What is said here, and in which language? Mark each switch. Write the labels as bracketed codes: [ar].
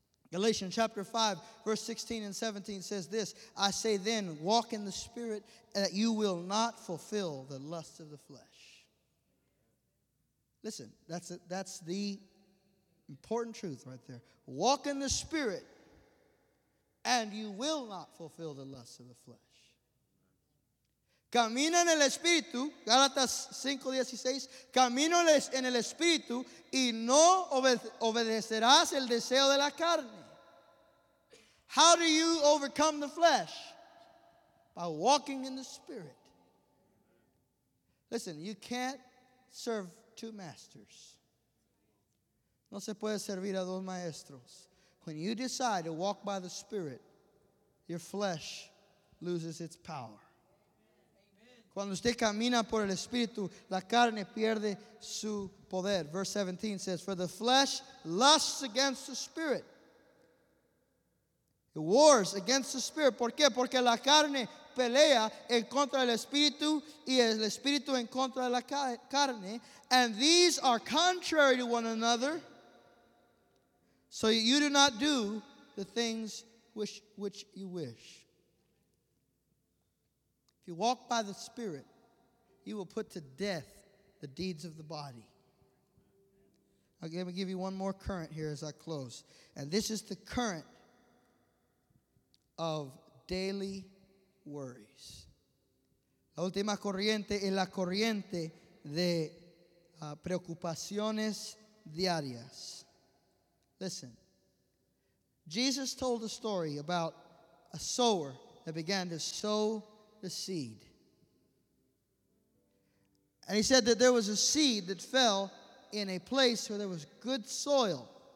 [en] Galatians chapter 5, verse 16 and 17 says this, I say then, walk in the Spirit, that you will not fulfill the lusts of the flesh. Listen, that's the important truth right there. Walk in the Spirit, and you will not fulfill the lusts of the flesh. [es] Camina en el Espíritu, Galatas 5, 16, camina en el Espíritu, y no obedecerás el deseo de la carne. [en] How do you overcome the flesh? By walking in the Spirit. Listen, you can't serve two masters. [es] No se puede servir a dos maestros. [en] When you decide to walk by the Spirit, your flesh loses its power. [es] Cuando usted camina por el Espíritu, la carne pierde su poder. [en] Verse 17 says, for the flesh lusts against the Spirit. Wars against the Spirit. [es] ¿Por qué? Porque la carne pelea en contra del Espíritu y el Espíritu en contra de la carne. [en] And these are contrary to one another. So you do not do the things which you wish. If you walk by the Spirit, you will put to death the deeds of the body. Okay, let me give you one more current here as I close. And this is the current of daily worries. [es] La última corriente es la corriente de preocupaciones diarias. [en] Listen. Jesus told a story about a sower that began to sow the seed. And he said that there was a seed that fell in a place where there was good soil.